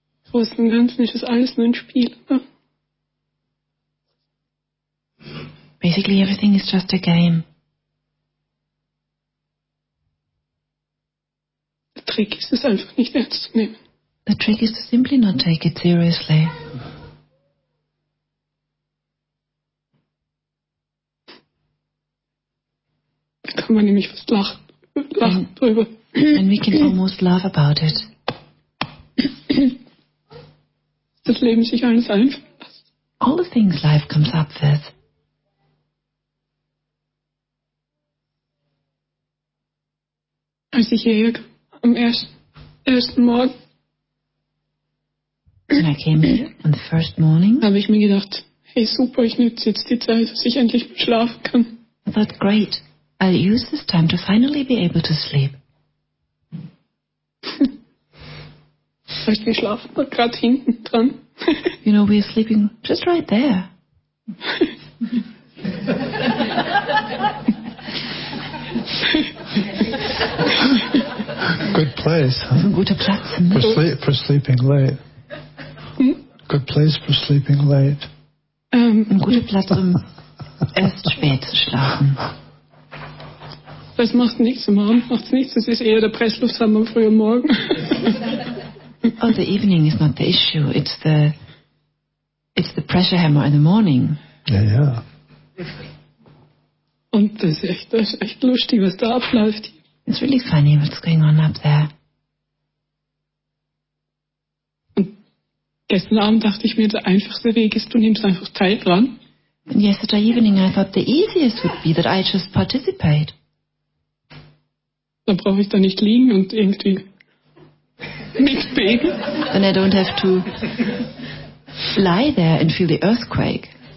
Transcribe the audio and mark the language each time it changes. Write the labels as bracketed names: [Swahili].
[German] Großen Ganzen ist das alles nur ein Spiel. [English] Basically everything is just a game. [German] Der Trick ist es einfach nicht ernst zu nehmen. [English] The trick is to simply not take it seriously. [German] Da kann man nämlich fast lachen drüber. [English] And we can almost laugh about it. [German] Das Leben sich alles einfällt. [English] All the things life comes up with. [German] Als ich hier am ersten Morgen. [English] When I came here on the first morning. [German] Habe ich mir gedacht, hey super, ich nütze jetzt die Zeit, dass ich endlich schlafen kann. [English] I thought, great, I'll use this time to finally be able to sleep. [German] Vielleicht wir schlafen gerade hinten dran. [English] You know, we're sleeping just right there. Good place. [German] Huh? Ein guter Platz. [English] For sleeping late. Good place for sleeping late. [German] Ein guter Platz, um erst spät zu schlafen. Das macht nichts im Abend, macht nichts. Das ist eher der Presslufthammer früh am Morgen. [English] Oh, the evening is not the issue. It's the pressure hammer in the morning. [German] Ja. Und das ist echt lustig, was da abläuft. [English] It's really funny what's going on up there. [German] Und gestern Abend dachte ich mir, der einfachste Weg ist, du nimmst einfach teil dran. [English] And yesterday evening I thought the easiest would be that I just participate. [German] Dann brauche ich da nicht liegen und irgendwie mitbeben. [English] Then I don't have to lie there and feel the earthquake.